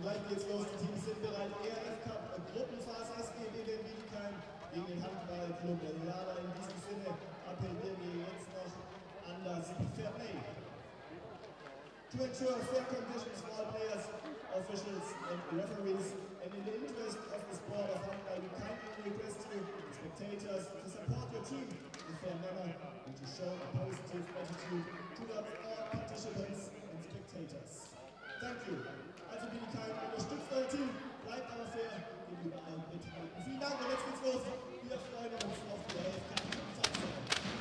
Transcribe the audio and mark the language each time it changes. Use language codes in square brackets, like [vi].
[de] Jetzt los, die Teams sind bereit. ERF Cup Gruppenphase SG Wien Bietigheim gegen den Handballclub Lada. In diesem Sinne appellieren wir jetzt noch an das Fair Play. [en] To ensure fair conditions for all players, officials and referees, and in the interest of the sport of handball, we kindly request you, the spectators, to support your team in a fair manner and to show a positive attitude towards all participants and spectators. Thank you. [de] Also Bietigheim, unterstützt euer Team, bleibt aber fair, und überall mithalten. Vielen Dank und jetzt geht's los. Wir freuen uns auf die Hälfte.